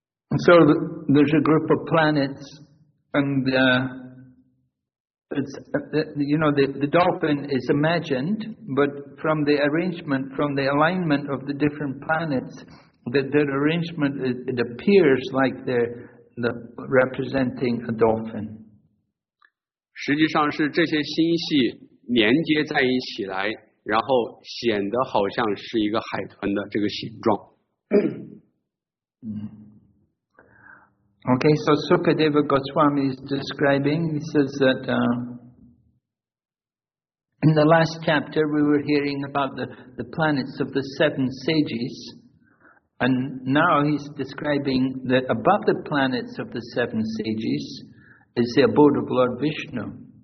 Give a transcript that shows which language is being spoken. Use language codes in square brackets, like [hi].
[en] And so there's a group of planets, and it's you know the dolphin is imagined, but from the arrangement, from the alignment of the different planets, that their arrangement it appears like they're representing a dolphin. [zh] 实际上是这些星系连接在一起来，然后显得好像是一个海豚的这个形状。 [en] Okay, so Sukadeva Goswami is describing, he says that in the last chapter we were hearing about the planets of the seven sages, and now he's describing that above the planets of the seven sages is the abode of Lord Vishnu.